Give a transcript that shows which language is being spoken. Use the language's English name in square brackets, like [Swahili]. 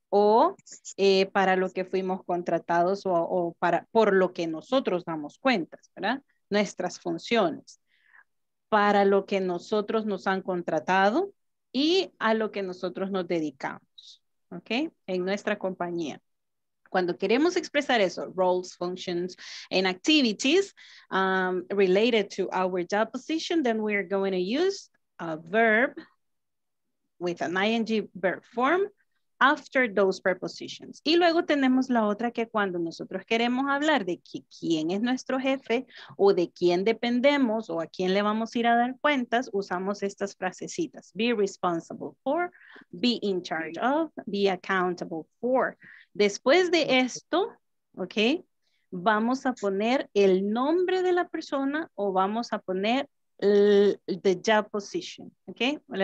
[Spanish] O para lo que fuimos contratados o para, por lo que nosotros damos cuentas, ¿verdad? Nuestras funciones, para lo que nosotros nos han contratado y a lo que nosotros nos dedicamos, ¿ok? En nuestra compañía. cuando queremos expresar eso, [English] roles, functions, and activities related to our job position, then we are going to use a verb with an ing verb form after those prepositions. [Spanish] Y luego tenemos la otra que cuando nosotros queremos hablar de quién es nuestro jefe o de quién dependemos o a quién le vamos a ir a dar cuentas, usamos estas frasecitas. [English] Be responsible for, be in charge of, be accountable for. [Spanish] Después de esto, ¿ok? Vamos a poner el nombre de la persona o vamos a poner [English] the job position, [Spanish] ¿ok?